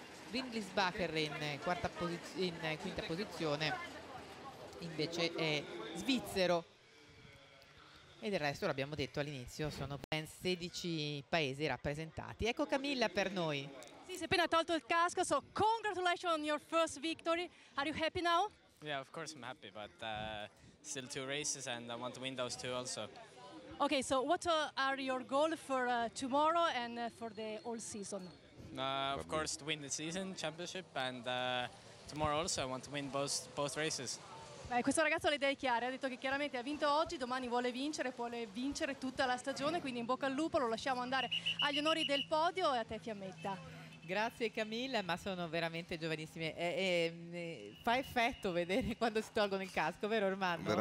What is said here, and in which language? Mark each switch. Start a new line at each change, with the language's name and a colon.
Italian: Rindlisbacher in quinta posizione invece è svizzero, e del resto l'abbiamo detto all'inizio, sono ben 16 paesi rappresentati. Ecco Camilla per noi. Sì, si è appena tolto il casco,
English: so congratulations on your first victory. Are you happy now? Yeah, of course I'm happy, but still two races and I want to win those two also. Okay, so what are your goals for tomorrow and for the whole season? Of course, to win the season championship, and tomorrow also I want to win both races.
Italian: Questo ragazzo ha le idee chiare, ha detto che chiaramente ha vinto oggi, domani vuole vincere, vuole vincere tutta la stagione, quindi in bocca al lupo, lo lasciamo andare agli onori del podio e a te Fiammetta. Grazie Camilla, ma sono veramente giovanissime. Fa effetto vedere quando si tolgono il casco, vero Ormando?